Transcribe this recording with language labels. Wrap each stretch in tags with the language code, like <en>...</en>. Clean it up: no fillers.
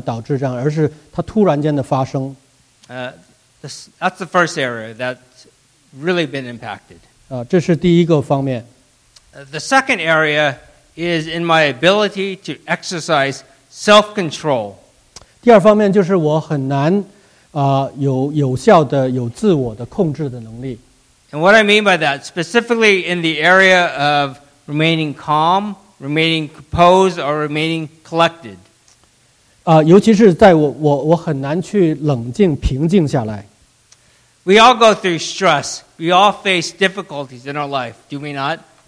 <zh>并不是说我的年纪的增长而导致这样，而是它突然间的发生。</zh> <en>That's the first area that's really been impacted.</en> <zh>这是第一个方面。</zh> <en>The second area is in my ability to exercise self-control.</en> <zh>第二方面就是我很难有效的有自我的控制的能力。</zh> <en>And what I mean by that, specifically in the area of remaining calm, remaining composed, or remaining collected.</en> <zh>尤其是在我很难去冷静平静下来。</zh> <en>We all go through stress. We all face difficulties in our life, do we not?</en>